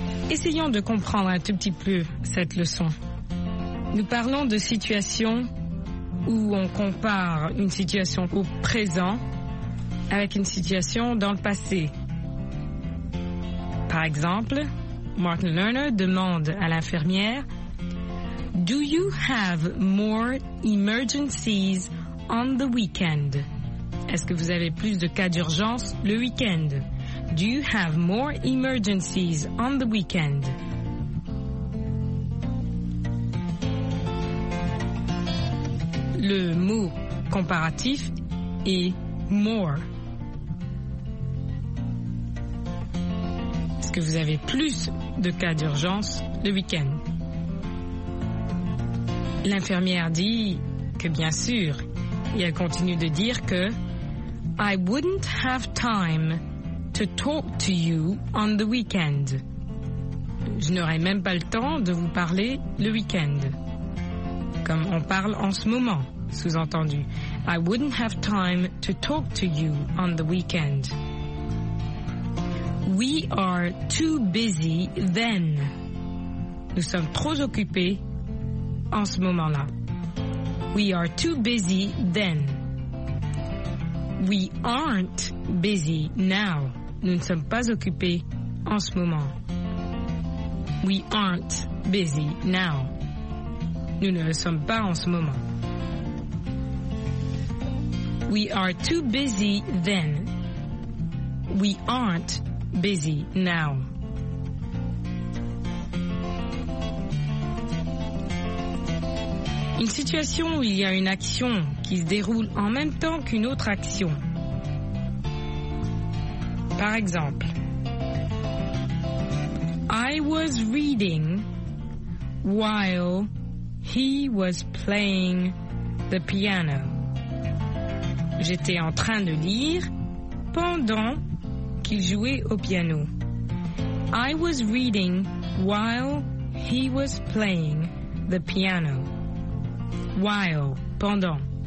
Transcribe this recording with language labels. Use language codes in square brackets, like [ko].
[fr] Essayons de comprendre un tout petit peu cette leçon. Nous parlons de situations où on compare une situation au présent avec une situation dans le passé. Par exemple, Martin Lerner demande à l'infirmière « [en] Do you have more emergencies on the weekend? [fr] » Est-ce que vous avez plus de cas d'urgence le week-end? [en] Do you have more emergencies on the weekend? [fr] Le mot comparatif est more. Est-ce que vous avez plus de cas d'urgence le week-end? L'infirmière dit que bien sûr, et elle continue de dire que [en] I wouldn't have time to talk to you on the weekend. [fr] Je n'aurai même pas le temps de vous parler le week-end. Comme on parle en ce moment, sous-entendu. [en] I wouldn't have time to talk to you on the weekend. We are too busy then. [fr] Nous sommes trop occupés en ce moment-là. [en] We are too busy then. We aren't busy now. [fr] Nous ne sommes pas occupés en ce moment. [en] We aren't busy now. [fr] Nous ne le sommes pas en ce moment. [en] We are too busy then. We aren't busy now. [fr] Une situation où il y a une action qui se déroule en même temps qu'une autre action. Par exemple, [en] I was reading while he was playing the piano. [fr] J'étais en train de lire pendant qu'il jouait au piano. [en] I was reading while he was playing the piano. While, [fr] pendant.